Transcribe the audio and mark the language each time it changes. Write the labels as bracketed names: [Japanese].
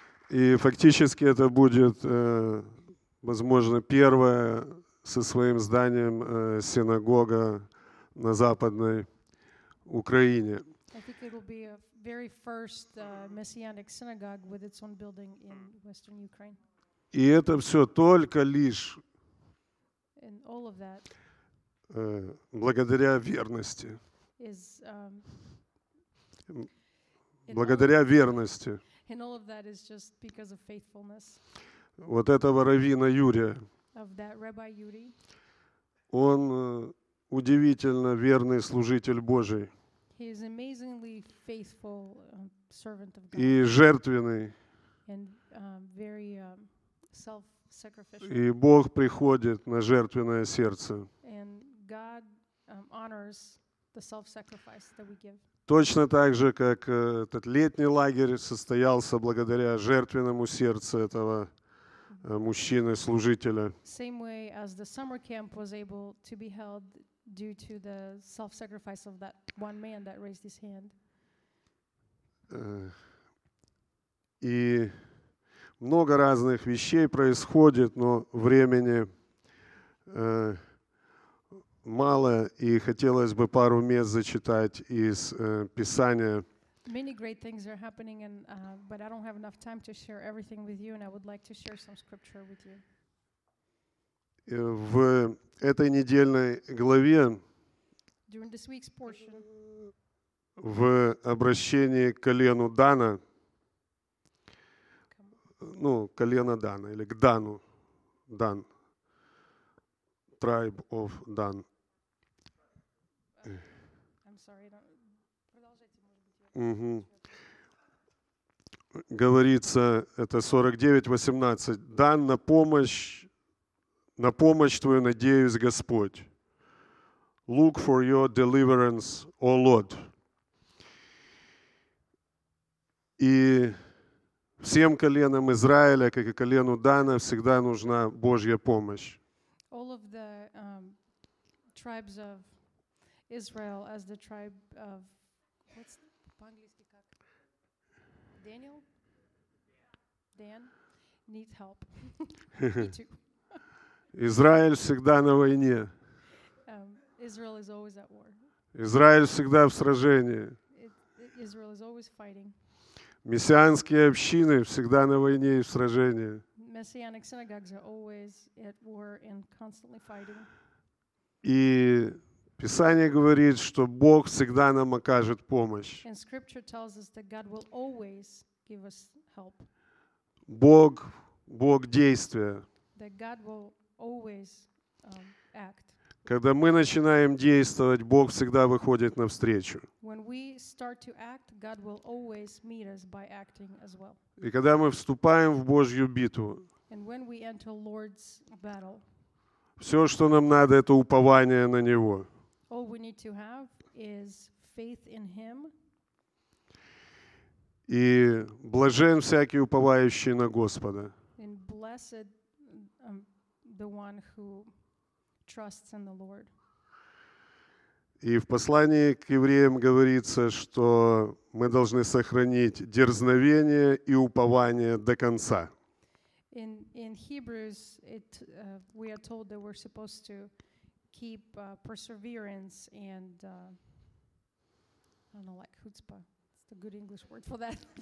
[Russian] И фактически это будет, возможно, первая со своим зданием синагога на Западной Украине. [English] I think it will be a very first messianic synagogue with its own building in Western Ukraine. [Russian] И это все только лишь [English] and all of that [Russian] благодаря верности [English] is [Russian] благодаря верности [English] and all of that is just because of faithfulness [Russian] вот этого раввина Юрия [English] of that rabbi Yuri [Russian] он удивительно верный служитель Божий [English] he is amazingly faithful servant of God [Russian] и жертвенный [English] and very self [Russian] И Бог приходит на жертвенное сердце. [English] And God, honors the self-sacrifice that we give. [Russian] Точно так же, как этот летний лагерь состоялся благодаря жертвенному сердцу этого мужчины-служителя. [English] Same way as the summer camp was able to be held due to the self-sacrifice of that one man that raised his hand. [Russian] И Много разных вещей происходит, но времени мало, и хотелось бы пару мест зачитать из Писания. [English] Many great things are happening, and, but I don't have enough time to share everything with you, and I would like to share some scripture with you. [Russian] В этой недельной главе, [English] During this week's portion, [Russian] в обращении к колену Дана, Ну, колено Дана или к Дану, Дан, [English] tribe of Dan. I'm sorry, [Russian] продолжайте, Говорится, это 49:18. Дан, на помощь твою надеюсь, Господь. [English] Look for your deliverance, O Lord. [Russian] И Всем коленам Израиля, как и колену Дана, всегда нужна Божья помощь. [English] All of the tribes of Israel as the tribe of what's [Russian] по-английски как? [English] Daniel? Dan needs help. [Russian] Израиль всегда на войне. [English] Israel is always at war. [Russian] Израиль всегда в сражении. [English] Israel is always fighting. [Russian] Мессианские общины всегда на войне и в сражении. [English] Messianic synagogues are always at war and constantly fighting. [Russian] И Писание говорит, что Бог всегда нам окажет помощь. [English] And scripture tells us that God will always give us help. [Russian] Бог действия. [English] That God will always act. [Russian] Когда мы начинаем действовать, Бог всегда выходит навстречу. [English] When we start to act, God will always meet us by acting as well. [Russian] И когда мы вступаем в Божью битву, [English] And when we enter Lord's battle, [Russian] все, что нам надо, это упование на Него. [English] All we need to have is faith in Him. [Russian] И блажен всякий уповающий на Господа. [English] And blessed the one who trusts in the Lord. [Russian] И в послании к евреям говорится, что мы должны сохранить дерзновение и упование до конца. [English] In Hebrews, we are told that we're supposed to keep perseverance and I don't know, like chutzpah. It's the good English word for that.